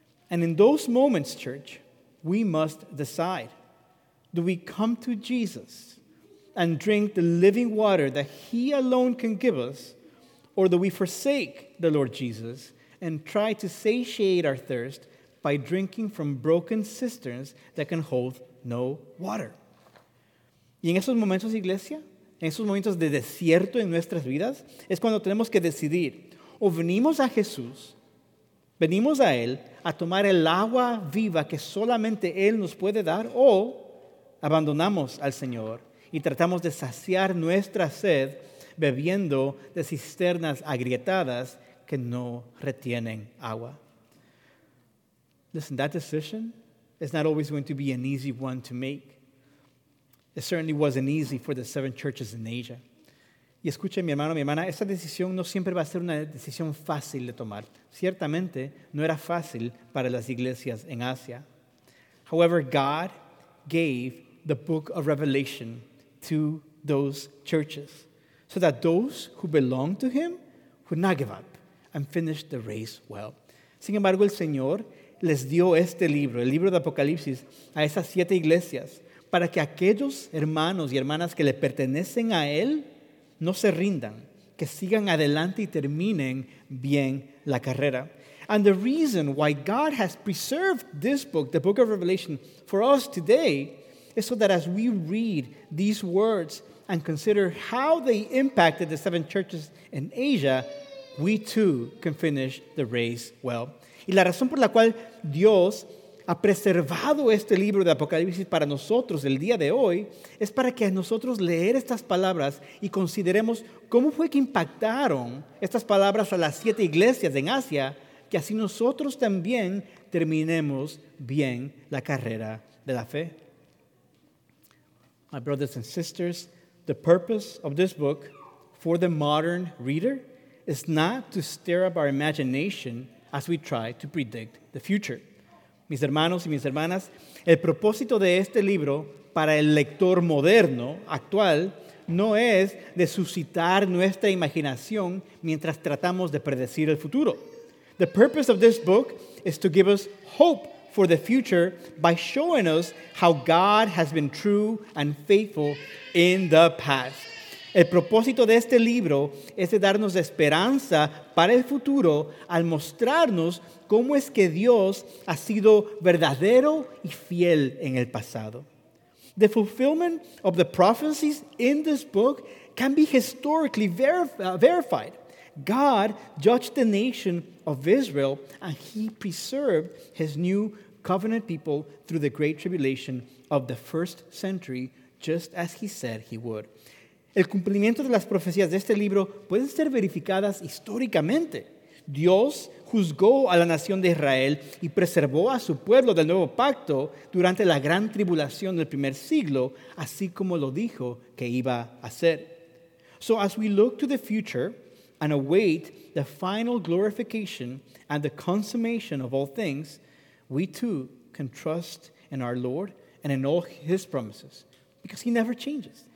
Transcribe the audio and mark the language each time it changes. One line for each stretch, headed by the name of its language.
English: And in those moments, church, we must decide, do we come to Jesus and drink the living water that He alone can give us, or do we forsake the Lord Jesus and try to satiate our thirst by drinking from broken cisterns that can hold no water?
Spanish: Y en esos momentos, iglesia, en esos momentos de desierto en nuestras vidas, es cuando tenemos que decidir, o venimos a Jesús, venimos a Él a tomar el agua viva que solamente Él nos puede dar, o abandonamos al Señor y tratamos de saciar nuestra sed bebiendo de cisternas agrietadas que no retienen agua.
English: Listen, that decision, it's not always going to be an easy one to make. It certainly wasn't easy for the seven churches in Asia.
Spanish: Y escuche, mi hermano, mi hermana, esta decisión no siempre va a ser una decisión fácil de tomar. Ciertamente, no era fácil para las iglesias en Asia.
English: However, God gave the book of Revelation to those churches so that those who belong to Him would not give up and finish the race well.
Spanish: Sin embargo, el Señor les dio este libro, el libro de Apocalipsis, a esas siete iglesias, para que aquellos hermanos y hermanas que le pertenecen a Él no se rindan, que sigan adelante y terminen bien la carrera.
English: And the reason why God has preserved this book, the book of Revelation, for us today, is so that as we read these words and consider how they impacted the seven churches in Asia, we too can finish the race well.
Spanish: Y la razón por la cual Dios ha preservado este libro de Apocalipsis para nosotros el día de hoy es para que nosotros leer estas palabras y consideremos cómo fue que impactaron estas palabras a las siete iglesias en Asia, que así nosotros también terminemos bien la carrera de la fe.
English: My brothers and sisters, the purpose of this book for the modern reader is not to stir up our imagination as we try to predict the future.
Spanish: Mis hermanos y mis hermanas, el propósito de este libro para el lector moderno, actual, no es de suscitar nuestra imaginación mientras tratamos de predecir el futuro.
English: The purpose of this book is to give us hope for the future by showing us how God has been true and faithful in the past.
Spanish: El propósito de este libro es de darnos esperanza para el futuro al mostrarnos cómo es que Dios ha sido verdadero y fiel en el pasado.
English: The fulfillment of the prophecies in this book can be historically verified. God judged the nation of Israel and he preserved his new covenant people through the great tribulation of the first century, just as he said he would.
Spanish: El cumplimiento de las profecías de este libro pueden ser verificadas históricamente. Dios juzgó a la nación de Israel y preservó a su pueblo del nuevo pacto durante la gran tribulación del primer siglo, así como lo dijo que iba a hacer.
English: So as we look to the future and await the final glorification and the consummation of all things, we too can trust in our Lord and in all his promises, because he never changes.